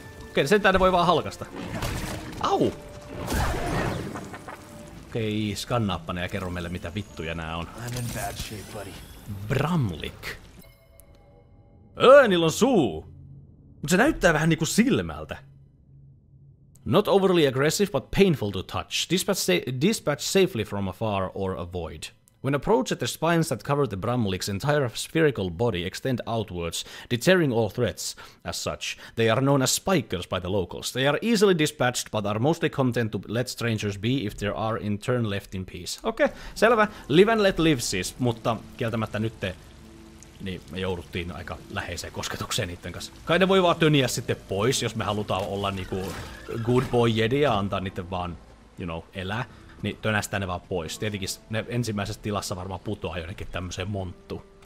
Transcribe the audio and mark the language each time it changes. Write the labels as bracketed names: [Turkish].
[Finnish] Okei, sentään ne voi vaan halkasta. Au! Okei, skannaappa ne ja kerro meille mitä vittuja nää on. [English] I'm in bad shape, buddy. [Finnish] Bramlik. Niillä on suu! Mut se näyttää vähän niinku silmältä. [English] Not overly aggressive, but painful to touch. Dispatch safely from afar or avoid. When approached, the spines that cover the Bramlik's entire spherical body extend outwards, deterring all threats as such. They are known as spikers by the locals. They are easily dispatched, but are mostly content to let strangers be if they are in turn left in peace. [Finnish] Okei, okay, selvä. [English] Live and let live [Finnish] siis, mutta kieltämättä nytte, niin me jouduttiin aika läheiseen kosketukseen niitten kanssa. Kai ne voi vaan töniä sitten pois, jos me halutaan olla niinku [English] good boy jedi [Finnish] ja antaa niitten vaan, [English] you know, [Finnish] elää. Niin tönästään ne vaan pois. Tietenkin ne ensimmäisessä tilassa varmaan putoaa jonnekin tämmöseen monttuun.